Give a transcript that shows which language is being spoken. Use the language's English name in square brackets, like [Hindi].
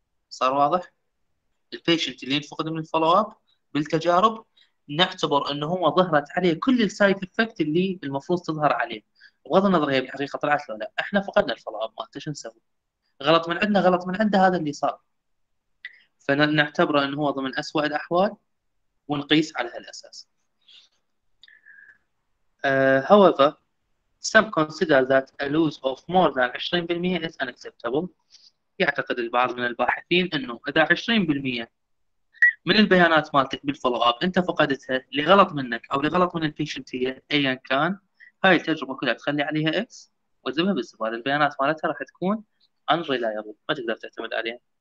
[Arabic] صار واضح؟ البيشنت اللي ينفقد من الفولو اب بالتجارب نعتبر إنه هو ظهرت عليه كل السايد افكت اللي المفروض تظهر عليه، بغض النظر هي بالحقيقة طلعت له لا، احنا فقدنا الفولو اب مالته، شو نسوي؟ غلط من عندنا، غلط من عنده، هذا اللي صار. فنعتبره إنه هو ضمن أسوأ الأحوال ونقيس على هالأساس. [English] However, some consider that a loss of more than 20% is unacceptable. [Arabic] يعتقد البعض من الباحثين أنه إذا 20% من البيانات مالتك بالفولو-up أنت فقدتها لغلط منك أو لغلط من الفيشنتية أيا كان، هاي التجربة كلها تخلي عليها X وتذهب بالزبالة، البيانات مالتها راح تكون unreliable، ما تقدر تعتمد عليها.